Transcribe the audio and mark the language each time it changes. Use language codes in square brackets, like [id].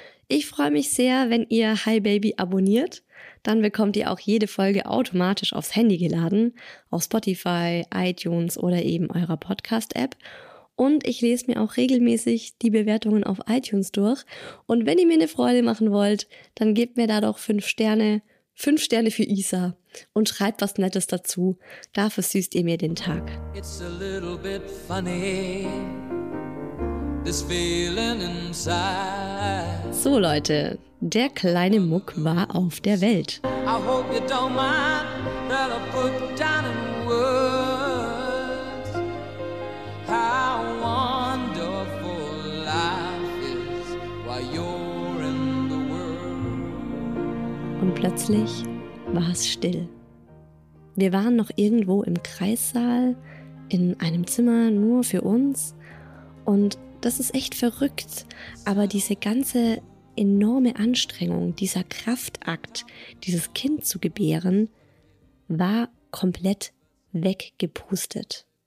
[de] Ich freue mich sehr, wenn ihr Hi Baby abonniert. Dann bekommt ihr auch jede Folge automatisch aufs Handy geladen, auf Spotify, iTunes oder eben eurer Podcast-App. Und ich lese mir auch regelmäßig die Bewertungen auf iTunes durch. Und wenn ihr mir eine Freude machen wollt, dann gebt mir da doch 5 Sterne. 5 Sterne für Isa und schreibt was Nettes dazu. Da versüßt ihr mir den Tag. [en] It's a little bit funny, this feeling inside. [de] So Leute, der kleine Muck war auf der Welt. [en] I hope you don't mind that I put down in words how wonderful life is while you're in the world. [de] Und plötzlich war es still. Wir waren noch irgendwo im Kreissaal, in einem Zimmer nur für uns. Und das ist echt verrückt, aber diese ganze enorme Anstrengung, dieser Kraftakt, dieses Kind zu gebären, war komplett weggepustet.